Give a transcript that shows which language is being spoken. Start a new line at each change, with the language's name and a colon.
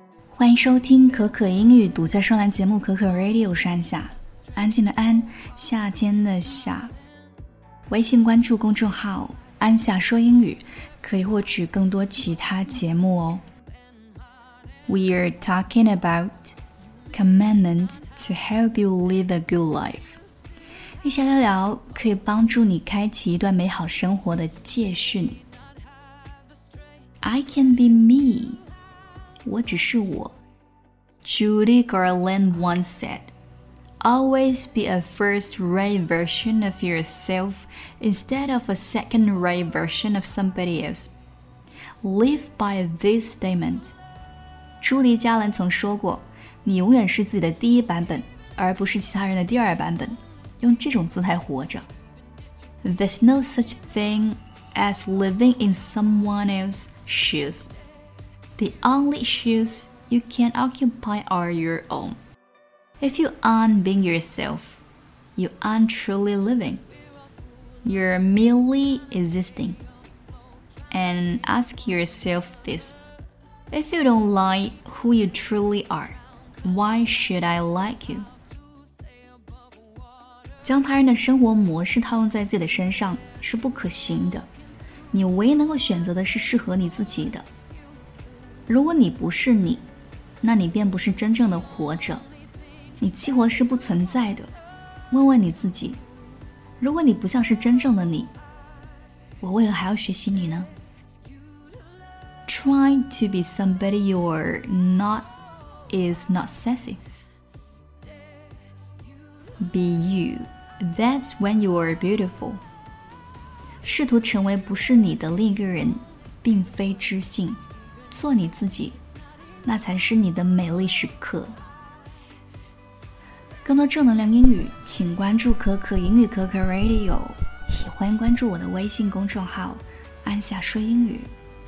Chinese: 欢迎收听可可英语独家专栏节目可可 Radio， 我是安夏，安静的安，夏天的夏。微信关注公众号安夏说英语，可以获取更多其他节目哦。
English: We are talking about commandments to help you live a good life，
Chinese: 一起聊聊可以帮助你开启一段美好生活的戒训。
English: I can be me，
Chinese: 我只是我。
English: Judy Garland once said, Always be a first-rate version of yourself instead of a second-rate version of somebody else. Live by this statement.
Chinese: 朱莉·加兰曾说过，你永远是自己的第一版本，而不是其他人的第二版本。用这种姿态活着。
English: There's no such thing as living in someone else's shoes. The only shoes you can occupy are your own. If you aren't being yourself, you aren't truly living. You're merely existing. And ask yourself this. If you don't like who you truly are,Why should I like you?
Chinese: 将他人的生活模式套用在自己的身上是不可行的。你唯一能够选择的是适合你自己的。如果你不是你，那你便不是真正的活着。你激活是不存在的。问问你自己，如果你不像是真正的你，我为何还要学习你呢？
English: Try to be somebody you're not. Is not sexy. Be you. That's when you are beautiful.
Chinese: 试图成为不是你的另一个人，并非知性。做你自己，那才是你的美丽时刻。更多正能量英语，请关注可可英语可可 Radio， 也欢迎关注我的微信公众号"安夏说英语"。